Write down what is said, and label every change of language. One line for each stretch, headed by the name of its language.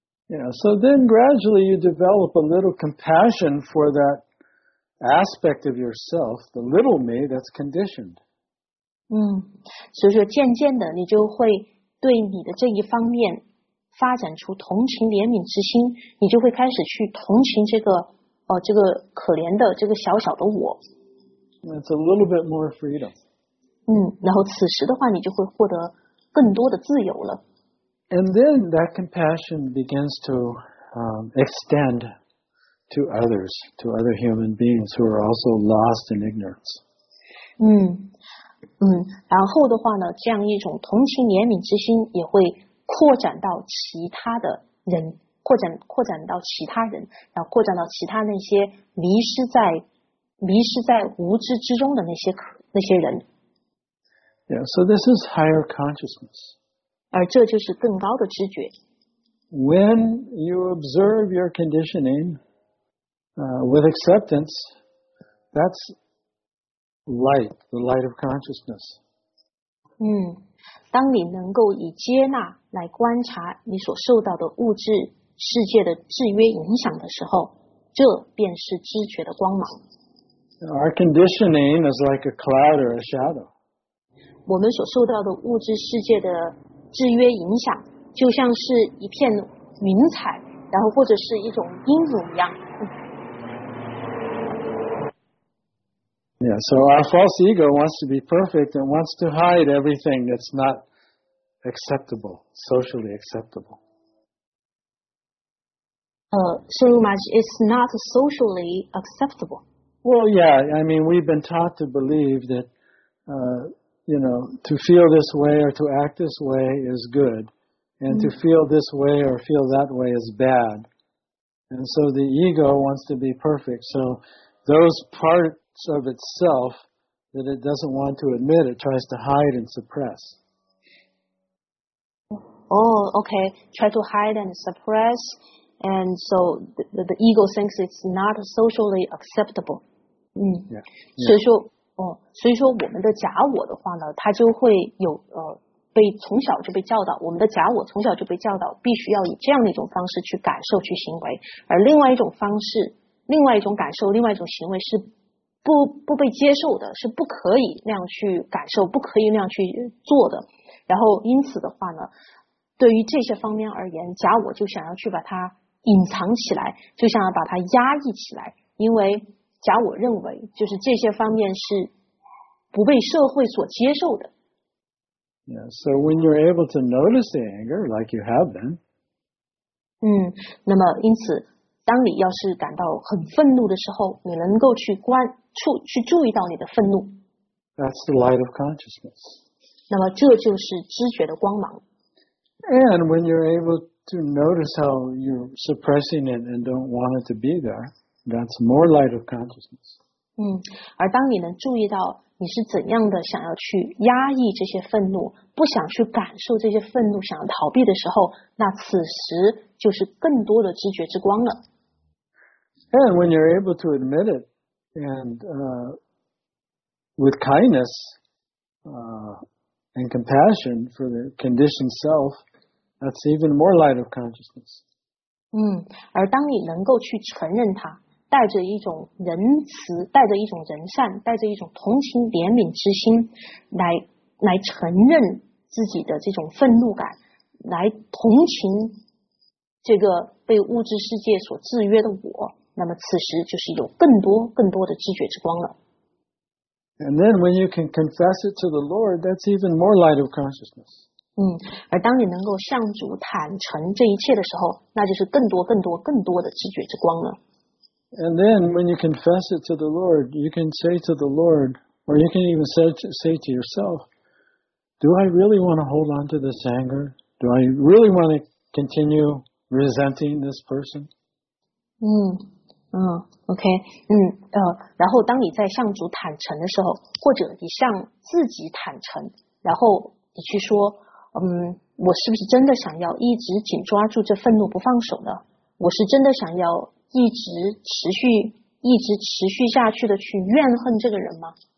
English: Yeah, so then gradually you develop a little compassion for that aspect of yourself, the little me that's conditioned.
Chinese: 所以说渐渐的你就会对你的这一方面发展出同情怜悯之心，你就会开始去同情这个可怜的这个小小的我。
English: It's a little bit more freedom.
Chinese: 然后此时的话，你就会获得更多的自由了。
English: And then that compassion begins to extend to others, to other human beings who are also lost in ignorance.
Chinese: 然后的话呢，这样一种同情怜悯之心也会扩展到其他的人，扩展到其他人，然后扩展到其他那些迷失在无知之中的那些人。
English: Yeah, so this is higher consciousness.
Chinese: 而这就是更高的知觉。
English: When you observe your conditioning, with acceptance, that's light, the light of consciousness.
Chinese: 当你能够以接纳来观察你所受到的物质世界的制约影响的时候，这便是知觉的光芒。
English: Our conditioning is like a cloud or a shadow.
Chinese: 我们所受到的物质世界的制约影响，就像是一片云彩，然后或者是一种阴影一样。
English: Yeah, so our false ego wants to be perfect and wants to hide everything that's not acceptable, socially acceptable. So much, it's not socially acceptable. Well, yeah, I mean, we've been taught to believe that, you know, to feel this way or to act this way is good, and to feel this way or feel that way is bad. And so the ego wants to be perfect, so those parts of itself that it doesn't want to admit, it tries to hide and suppress. Oh, okay. Try to hide and suppress. And so the ego thinks it's not socially acceptable.
Chinese: 所以说我们的假我的话呢，它就会有被从小就被教导，我们的假我从小就被教导，必须要以这样的一种方式去感受、去行为，而另外一种方式、另外一种感受、另外一种行为是不被接受的，是不可以那样去感受、不可以那样去做的。然后因此的话呢，对于这些方面而言，假我就想要去把它隐藏起来，就想要把它压抑起来，因为。假我认为就是这些方面是不被社会所接受的。
English: Yeah, so when you're able to notice the anger like you have been.
Chinese: 那么因此当你要是感到很愤怒的时候，你能够去注意到你的愤怒。
English: That's the light of consciousness.
Chinese: 那么这就是知觉的光芒。
English: And when you're able to notice how you're suppressing it and don't want it to be there,That's more light of consciousness.
Chinese: 而当你能注意到你是怎样的想要去压抑这些愤怒，不想去感受这些愤怒，想要逃避的时候，那此时就是更多的知觉之光了。
English: And when you're able to admit it, and with kindness and compassion for the conditioned self, that's even more light of consciousness.
Chinese: 而当你能够去承认它。带着一种仁慈，带着一种仁善，带着一种同情怜悯之心，来承认自己的这种愤怒感，来同情这个被物质世界所制约的我，那么此时就是有更多更多的知觉之光了。
English: And then when you can confess it to the Lord, that's even more light of consciousness.
Chinese: 而当你能够向主坦诚这一切的时候，那就是更多更多更多的知觉之光了。
English: And then when you confess it to the Lord, you can say to the Lord, or you can even say to yourself, do I really want to hold on to this anger? Do I really want to continue resenting this person?
Chinese: 然后当你在向主坦诚的时候，或者你向自己坦诚，然后你去说，我是不是真的想要一直紧抓住这愤怒不放手呢？我是真的想要一直持续下去的去怨恨这个人吗？